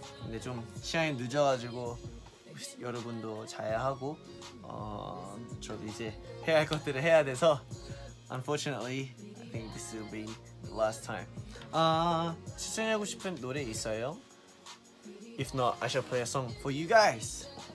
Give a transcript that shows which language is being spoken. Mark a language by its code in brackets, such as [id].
[ko] 근데 좀 시간이 늦어가지고 여러분도 자야 하고 저도 이제 해야 할 것들을 해야 돼서 [en] unfortunately I think this will be the last time. [ko] 추천하고 싶은 노래 있어요? [en] If not, I shall play a song for you guys.